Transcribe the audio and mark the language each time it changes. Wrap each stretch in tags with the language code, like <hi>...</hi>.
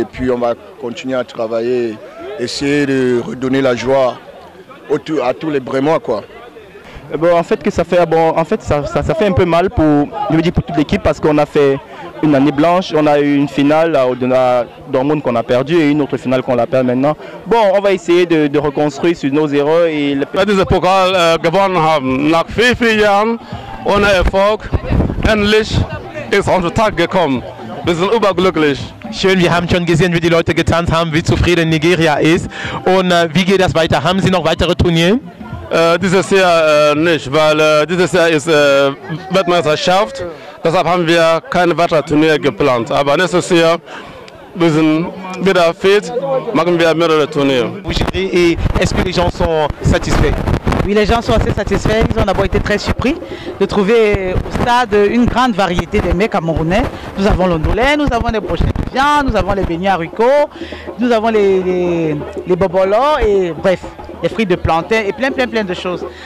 <fr>Et puis on va continuer à travailler, essayer de redonner la joie à tous les Brémois, quoi. En fait, ça fait un peu mal pour toute l'équipe parce qu'on a fait une année blanche. On a eu une finale à Dortmund qu'on a perdue et une autre finale qu'on a perdue maintenant. Bon, on va essayer de reconstruire sur nos erreurs.</fr> <de>Das ist Pokal gewonnen haben. Nach vier, vier Jahren ohne Erfolg, endlich ist unser Tag gekommen. Wir sind überglücklich. Schön, wir haben schon gesehen, wie die Leute getanzt haben, wie zufrieden Nigeria ist. Und wie geht das weiter? Haben Sie noch weitere Turniere? Dieses Jahr nicht, weil dieses Jahr ist Weltmeisterschaft. Deshalb haben wir keine weiteren Turniere geplant. Aber nächstes Jahr, wir sind wieder fit, machen wir mehrere Turniere.</de> <fr>Et est-ce que les gens sont satisfaits? Oui, les gens sont assez satisfaits. Nous avons d'abord été très surpris de trouver au stade une grande variété de mets camerounais. Nous avons l'ondolais, nous avons les brochettes, nous avons les beignets haricots, nous avons les bobolos et bref, les fruits de plantain et plein de choses.</fr>